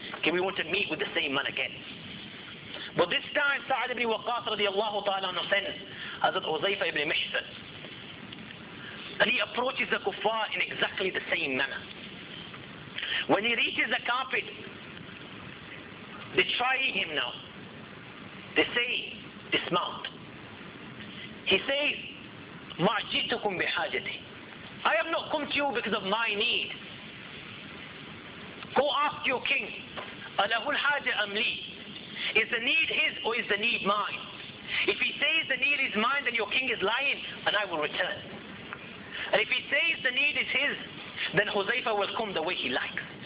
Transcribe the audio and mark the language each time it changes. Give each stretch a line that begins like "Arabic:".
English: Okay, we want to meet with the same man again. But this time, Sa'ad ibn Waqqas radiallahu ta'ala anhu sends Hazrat Uzayfa ibn Mishfat. And he approaches the kuffar in exactly the same manner. When he reaches the carpet, they try him now. They say, dismount. He says,
Arabic: مَا جِئْتُكُمْ بِحَاجَتِي.
English: I have not come to you because of my need. Go ask your king,
Arabic: أَلَهُ الْحَاجَةَ أَمْ لِي.
English: Is the need his or is the need mine? If he says the need is mine, then your king is lying and I will return. And if he says the need is his, then Huzayfa will come the way he likes.